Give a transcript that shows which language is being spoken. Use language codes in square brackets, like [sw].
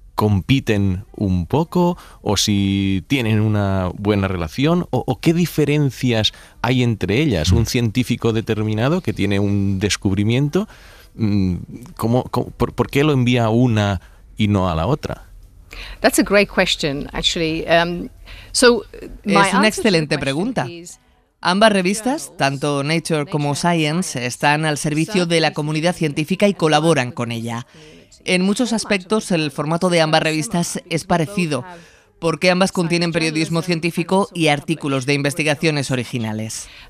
[es] compiten un poco o si tienen una buena relación o qué diferencias hay entre ellas. Un científico determinado que tiene un descubrimiento, ¿por qué lo envía a una y no a la otra? [en] That's a great question, actually. So [es] es una excelente pregunta. Ambas revistas, tanto Nature como Science, están al servicio de la comunidad científica y colaboran con ella. En muchos aspectos, el formato de ambas revistas es parecido, porque ambas contienen periodismo científico y artículos de investigaciones originales.